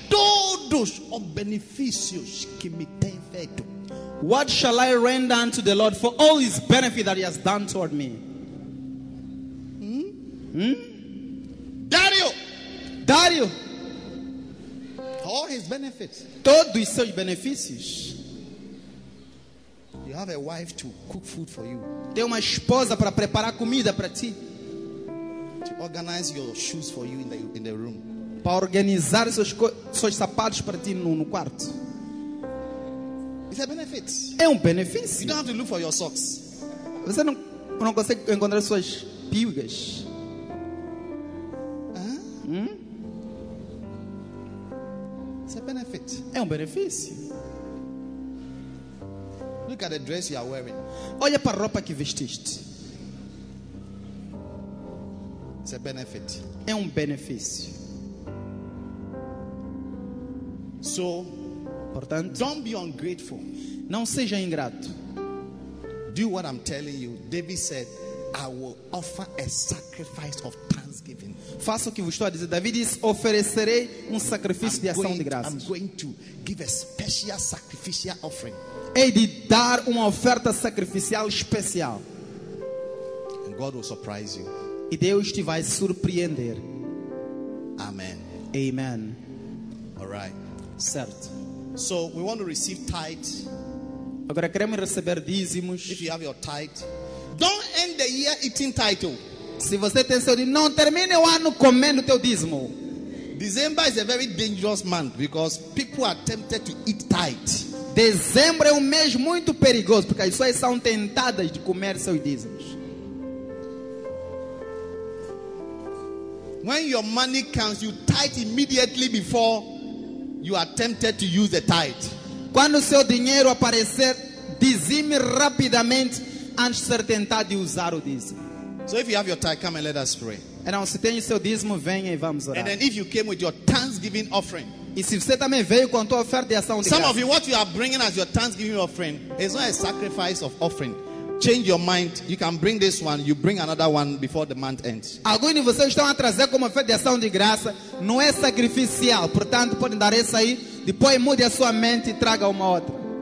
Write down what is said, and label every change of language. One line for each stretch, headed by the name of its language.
Portuguese: Por todos os benefícios que me tem feito.
English: What shall I render unto the Lord for all his benefit that he has done toward me? Dario. Dario. All his benefits.
Portuguese: Todos os seus benefícios.
English: You have a wife to cook food for you.
Portuguese: Tem uma esposa para preparar comida para ti.
English: To organize your shoes for you in the room.
Portuguese: Para organizar seus sapatos para ti no quarto.
English: It's a benefit.
Portuguese: É benefício.
English: You don't have to look for your socks.
Portuguese: Você não consegue encontrar suas pulgas.
English: It's a benefit.
Portuguese: É benefício.
English: Look at the dress you are wearing.
Portuguese: Olha para a roupa que vestiste.
English: It's a benefit.
Portuguese: É benefício.
English: So,
Portuguese: portanto,
English: don't be ungrateful.
Portuguese: Não seja ingrato.
English: Do what I'm telling you. David said, I will offer a sacrifice of thanksgiving.
Portuguese: Faça o que vos estou a dizer. David disse, oferecerei sacrifício de ação de graças.
English: I'm going to give a special sacrificial offering.
Portuguese: Hei de dar uma oferta sacrificial especial.
English: And God will surprise you.
Portuguese: E Deus te vai surpreender.
English: Amen. Amen. All right.
Portuguese: Certo.
English: So we want to receive tithe.
Portuguese: Agora queremos receber dízimos.
English: If you have your tithe, don't end the year eating tithe.
Portuguese: Se você tem seu dízimo, não termine o ano comendo teu dízimo.
English: December is a very dangerous month because people are tempted to eat tithe.
Portuguese: Dezembro é mês muito perigoso porque as pessoas são tentadas de comer seus dízimos.
English: When your money comes, you tithe immediately before you are tempted to use the tithe.
Portuguese: Quando seu dinheiro aparecer, dizime rapidamente antes de ser tentado de usar o dízimo.
English: So if you have your tithe, come and let us pray.
Portuguese: Então, se tem o seu dízimo, venha e vamos orar.
English: And then if you came with your thanksgiving offering.
Portuguese: E se você também veio com a tua oferta de ação de graças.
English: Some of you, what you are bringing as your thanksgiving offering is not a sacrifice of offering. Change your mind. You can bring this one. You bring another one before the month ends.
Portuguese: Alguns de vocês estão a trazer como oferta de ação de graça. Não é sacrificial. Portanto, podem dar essa aí. Depois mude a sua mente e traga uma outra.